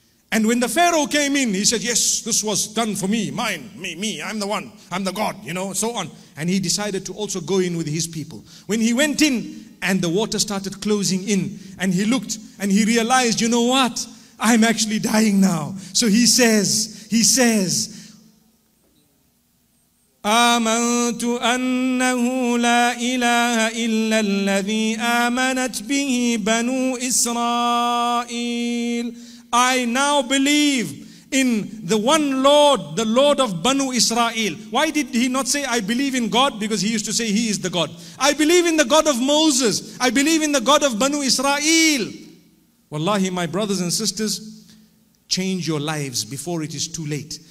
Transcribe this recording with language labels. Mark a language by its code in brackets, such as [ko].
[en] And when the Pharaoh came in, he said, yes, this was done for me. Mine, me. I'm the one. I'm the God, you know, so on. And he decided to also go in with his people. When he went in and the water started closing in and he looked and he realized, you know what? I'm actually dying now. So he says, [ar] آمنت أنه لا إله إلا الذي آمنت به بنو إسرائيل. [en] I now believe in the one Lord, the Lord of Banu Israel. Why did he not say, I believe in God? Because he used to say he is the God. I believe in the God of Moses. I believe in the God of Banu Israel. Wallahi, my brothers and sisters, change your lives before it is too late.